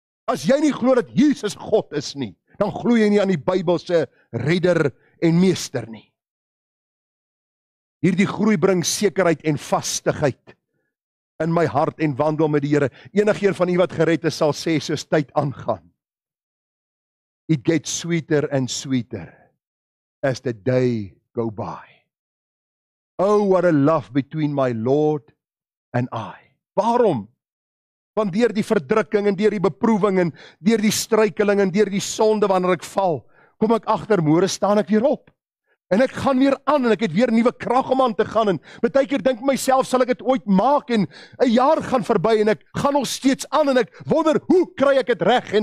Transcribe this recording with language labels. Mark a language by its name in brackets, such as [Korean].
[Afrikaans] As jy nie glo dat Jesus God is nie, dan glo jy nie aan die Bybelse redder en meester nie. Hierdie groei bring sekerheid en vastigheid in my hart en wandel met die Here. Enigeen van u wat gered is sal sê soos tyd aangaan. [English] It gets sweeter and sweeter as the day go by. Oh, what a love between my Lord and I. [Afrikaans] Waarom? Want deur die verdrukking en deur die beproewing en deur die struikeling en deur die sonde wanneer ek val, kom ek agter, môre staan ek weer op. En ek gaan weer aan en ek het weer nuwe krag om aan te gaan en baie keer dink myself, sal ek dit ooit maak en 'n jaar gaan verby en ek gaan nog steeds aan en ek wonder, hoe kry ek dit reg?